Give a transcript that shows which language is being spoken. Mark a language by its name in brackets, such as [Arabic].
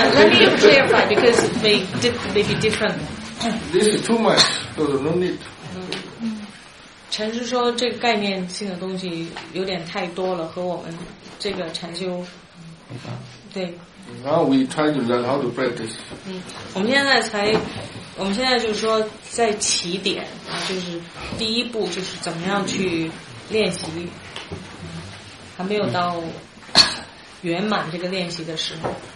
[English] Let me clarify because it may be different. This is too much. So no need. [Chinese] 陈师说这个概念性的东西有点太多了，和我们这个禅修，对。 [English] Now we try to learn how to practice. [Chinese] 我们现在就是说在起点啊，就是第一步就是怎么样去练习，还没有到圆满这个练习的时候。